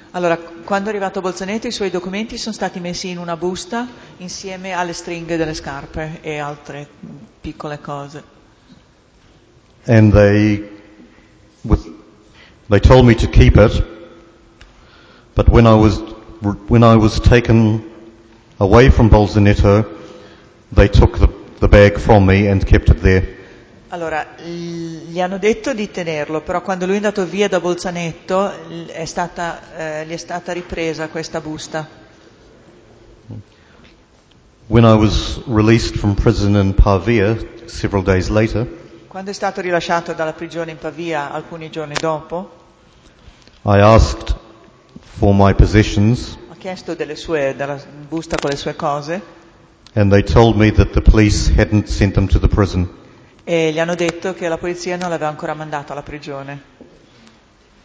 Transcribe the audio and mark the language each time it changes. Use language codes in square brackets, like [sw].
[it] Allora, quando è arrivato a Bolzaneto, i suoi documenti sono stati messi in una busta insieme alle stringhe delle scarpe e altre piccole cose. [en] And they told me to keep it, but when I was taken away from Bolzaneto, they took the bag from me and kept it there. [it] Allora, gli hanno detto di tenerlo, però quando lui è andato via da Bolzaneto gli è stata ripresa questa busta. [en] When I was released from prison in Pavia several days later, [it] quando è stato rilasciato dalla prigione in Pavia alcuni giorni dopo, [en] I asked for my possessions, [it] ho chiesto della busta con le sue cose, [en] and they told me that the police hadn't sent them to the prison. [it] E gli hanno detto che la polizia non l'aveva ancora mandato alla prigione.